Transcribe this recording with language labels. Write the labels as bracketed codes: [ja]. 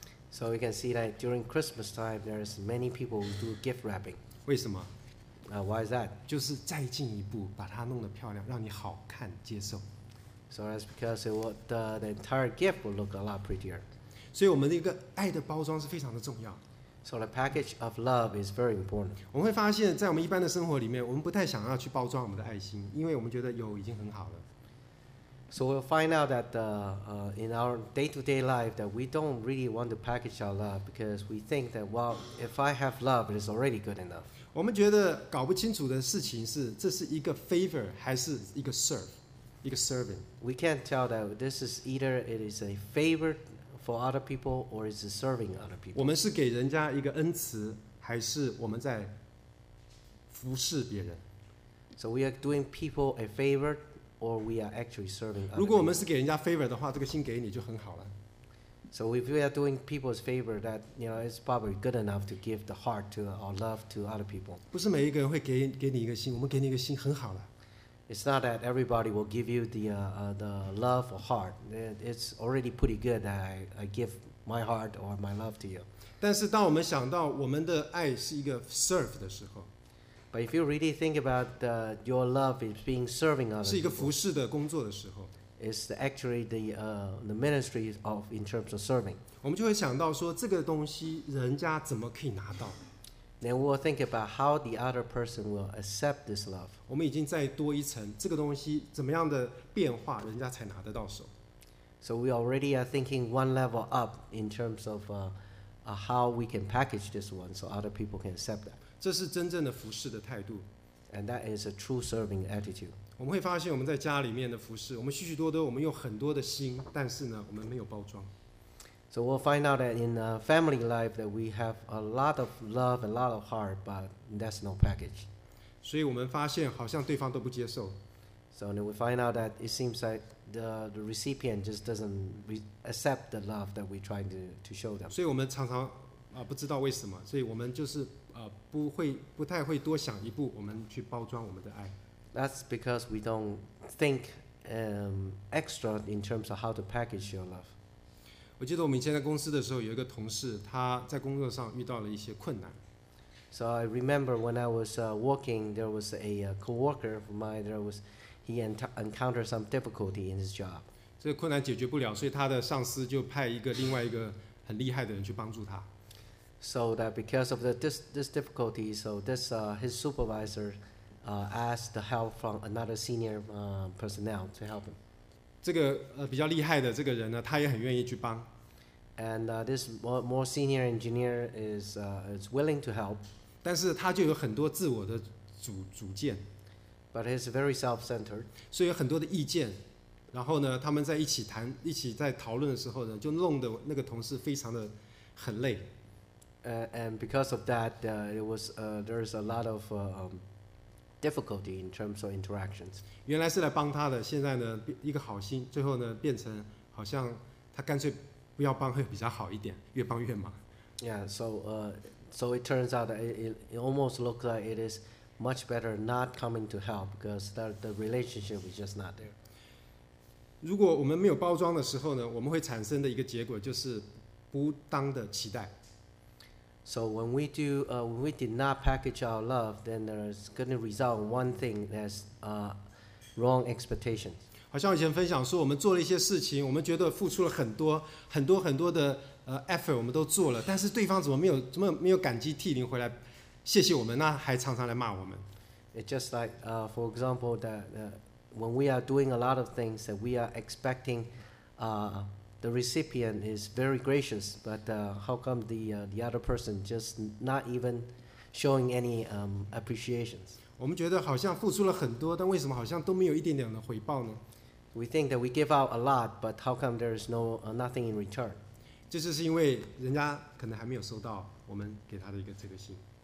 [en] So we can see that during Christmas time, there is many people who do gift wrapping. [zh] 为什么？ [en] Why is that? [zh] 就是再进一步，把它弄得漂亮，让你好看接受。 [en] So that's because the entire gift will look a lot prettier. [zh] 所以我们那个爱的包装是非常的重要。 [en] So the package of love is very important. [zh] 我们会发现，在我们一般的生活里面，我们不太想要去包装我们的爱心，因为我们觉得有已经很好了。 [en] So we'll find out that in our day-to-day life that we don't really want to package our love because we think that, well, if I have love, it is already good enough. [zh] 我们觉得搞不清楚的事情是，这是一个 favor 还是一个 serve, 一个 serving. [en] We can't tell that this is either it is a favor for other people or it's serving other people. [zh] 我们是给人家一个恩慈，还是我们在服侍别人？ [en] So we are doing people a favor. Or we are actually serving. [zh] 如果我们是给人家 favor 的话，这个心给你就很好了。 [en] So if we are doing people's favor, that you know it's probably good enough to give the heart to our love to other people. [zh] 不是每一个人会给你一个心，我们给你一个心很好了。 [en] It's not that everybody will give you the love or heart. It's already pretty good that I give my heart or my love to you. [zh] 但是当我们想到我们的爱是一个 serve 的时候。 [en] But if you really think about your love is being serving others, [zh] 是一个服侍的工作的时候 [en] ，is actually the ministry of in terms of serving. [zh] 我们就会想到说这个东西人家怎么可以拿到 [en] ？Then we'll think about how the other person will accept this love. [zh] 我们已经再多一层，这个东西怎么样的变化，人家才拿得到手 [en] ？So we already are thinking one level up in terms of how we can package this one so other people can accept that. [zh] 这是真正的服侍的态度 [en] ，and that is a true serving attitude. [zh] 我们会发现我们在家里面的服侍，我们许许多多，我们用很多的心，但是呢，我们没有包装。 [en] So we'll find out that in family life that we have a lot of love and a lot of heart, but that's no package. [zh] 所以我们发现好像对方都不接受。 [en] So then we find out that it seems like the recipient just doesn't accept the love that we're trying to show them. [zh] 所以我们常常不知道为什么，所以我们就是。不太会多想一步，我们去包装我们的爱。 [en] That's because we don't think extra in terms of how to package your love. [zh] 我记得我们以前在公司的时候，有一个同事，他在工作上遇到了一些困难。 [en] So I remember when I was working, there was a coworker of mine. He encountered some difficulty in his job. [zh] 这个困难解决不了，所以他的上司就派另外一个很厉害的人去帮助他。 [en] So that because of this difficulty, so this his supervisor asked the help from another senior personnel to help him. [zh] 这个比较厉害的这个人呢，他也很愿意去帮。 [en] And this more senior engineer is willing to help. [zh] 但是他就有很多自我的主见。 [en] But he's very self-centered. [zh] 所以有很多的意见，然后呢，他们在一起谈、一起在讨论的时候呢，就弄得那个同事非常的很累。 [en] And because of that, there is a lot of difficulty in terms of interactions. [zh] 原来是来帮他的，现在呢，一个好心，最后呢，变成好像他干脆不要帮会比较好一点，越帮越忙。 [en] Yeah, so it turns out that it almost looks like it is much better not coming to help because the relationship is just not there. [zh] 如果我们没有包装的时候呢，我们会产生的一个结果就是不当的期待。 [en] So when we do, when we did not package our love, then there's going to result in one thing that's wrong expectations. [zh] 好像以前分享说，我们做了一些事情，我们觉得付出了很多、很多、很多的effort， 我们都做了，但是对方怎么没有感激涕零回来谢谢我们，那还常常来骂我们。 [en] It's just like, for example, that when we are doing a lot of things that we are expecting, The recipient is very gracious, but how come the other person just not even showing any appreciations? [zh] 我们觉得好像付出了很多，但为什么好像都没有一点点的回报呢？ [en] We think that we give out a lot, but how come there is nothing in return? [zh] 这就是因为人家可能还没有收到我们给他的一个这个信。